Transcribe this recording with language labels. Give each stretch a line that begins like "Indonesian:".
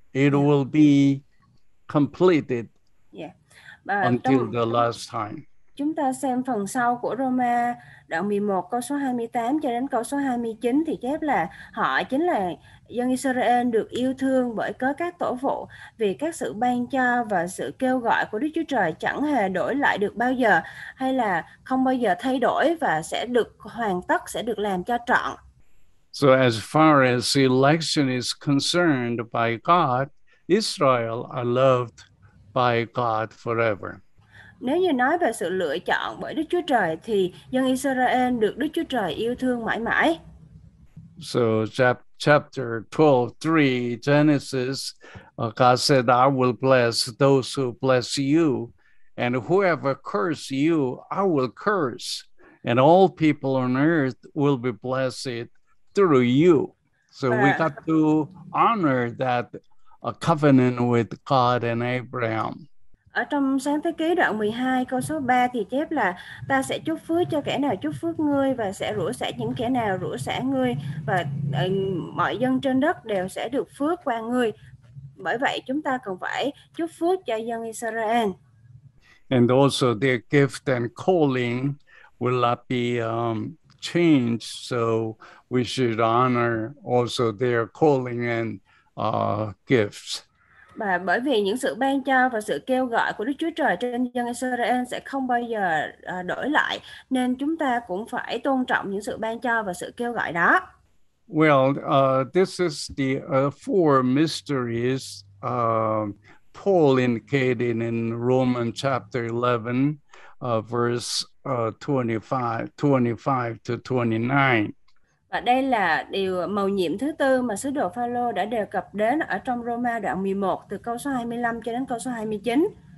English: It will be completed until the last time.
Vietnamese: Chúng ta xem phần sau của Roma đoạn 11 câu số 28 cho đến câu số 29 thì chép là họ chính là dân Israel được yêu thương bởi cớ các tổ phụ, vì các sự ban cho và sự kêu gọi của Đức Chúa Trời chẳng hề đổi lại được bao giờ, hay là không bao giờ thay đổi và sẽ được hoàn tất, sẽ được làm cho trọn.
English: So as far as election is concerned by God, Israel are loved by God forever.
Vietnamese: Nếu như nói về sự lựa chọn bởi Đức Chúa Trời thì dân Israel được Đức Chúa Trời yêu thương mãi mãi.
English: So chapter 12:3 Genesis, God said, I will bless those who bless you, and whoever curses you, I will curse, and all people on earth will be blessed through you. So we got to honor that covenant with God and Abraham.
Vietnamese: Ở trong Sáng Thế Ký đoạn 12 câu số 3 thì chép là ta sẽ chúc phước cho kẻ nào chúc phước ngươi và sẽ rủa sả những kẻ nào rủa sả ngươi, và mọi dân trên đất đều sẽ được phước qua ngươi. Bởi vậy chúng ta cần phải chúc phước cho dân Israel.
English: And also their gift and calling will not be changed, so we should honor also their calling and gifts.
Vietnamese: Và bởi vì những sự ban cho và sự kêu gọi của Đức Chúa Trời trên dân Israel sẽ không bao giờ đổi lại, nên chúng ta cũng phải tôn trọng những sự ban cho và sự kêu gọi đó.
English: Well, this is the four mysteries Paul indicated in Romans chapter 11, verse 25 to 29.
Vietnamese: Và đây là điều mầu nhiệm thứ tư mà sứ đồ Phaolô đã đề cập đến ở trong Roma đoạn 11 từ câu số 25 cho đến câu số 29.